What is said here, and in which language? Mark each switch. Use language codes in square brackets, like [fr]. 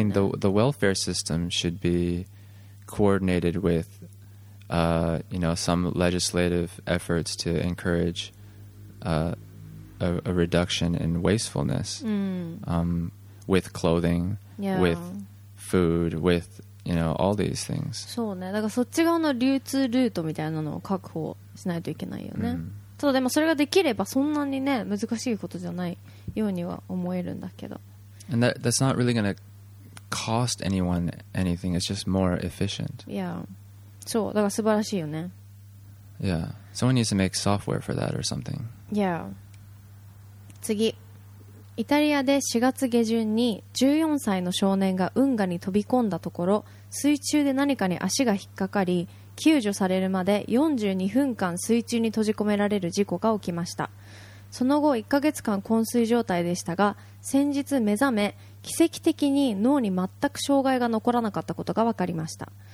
[en] I mean, the welfare system should be coordinated with, you know, some legislative efforts to encourage a reduction in wastefulness with clothing, with food, with. You know, all these things. [ja] そうね。だからそっち側の流通ルートみたいなのを確保しないといけないよね。ただでもそれができればそんなにね難しいことじゃないようには思えるんだけど。 [en] And that's not really going to cost anyone anything. It's just more efficient. Yeah. [ja] そう。だから素晴らしいよね。 [en] Yeah. Someone needs to make software for that or something. Yeah. [ja] 次。イタリアで4月下旬に14歳の少年が運河に飛び込んだところ、水中で何かに足が引っかかり救助されるまで42分間水中に閉じ込められる事故が起きました。その後1ヶ月間昏睡状態でしたが、先日目覚め奇跡的に脳に全く障害が残らなかったことが分かりました。